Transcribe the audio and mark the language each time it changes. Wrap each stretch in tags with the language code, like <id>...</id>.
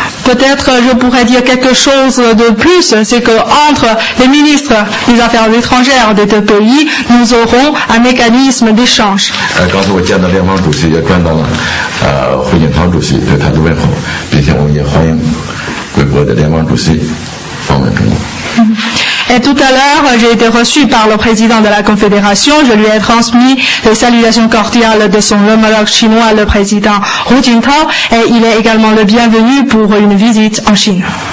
<fr>Peut-être je pourrais dire quelque chose de plus, c'est que entre les ministres des Affaires étrangères des deux pays, nous aurons un mécanisme d'échange.</fr> <zh>刚才我见到联邦主席，也见到了胡锦涛主席对他的问候，并且我们也欢迎贵国的联邦主席访问中国。</zh> <fr>Et tout à l'heure, j'ai été reçu par le président de la Confédération. Je lui ai transmis les salutations cordiales de son homologue chinois, le président Hu Jintao. Et il est également le bienvenu pour une visite en Chine.</fr>